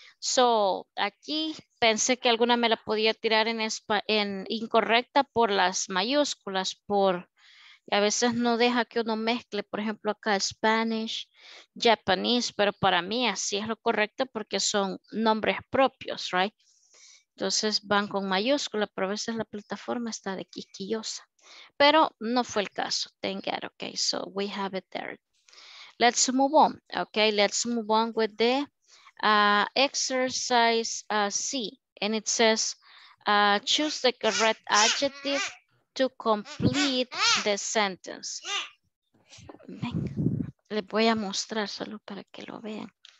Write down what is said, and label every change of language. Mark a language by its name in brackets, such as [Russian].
[Spanish] So, aquí pensé que alguna me la podía tirar en incorrecta por las mayúsculas, por a veces no deja que uno mezcle, por ejemplo, acá Spanish, Japanese, pero para mí así es lo correcto porque son nombres propios, right? Entonces van con mayúscula, pero a veces la plataforma está de quisquillosa. Pero no fue el caso. [English] Thank God, okay, so we have it there. Let's move on, okay? Let's move on with the exercise C. And it says, choose the correct adjective to complete the sentence. [Spanish] Venga, les voy a mostrar solo para que lo vean.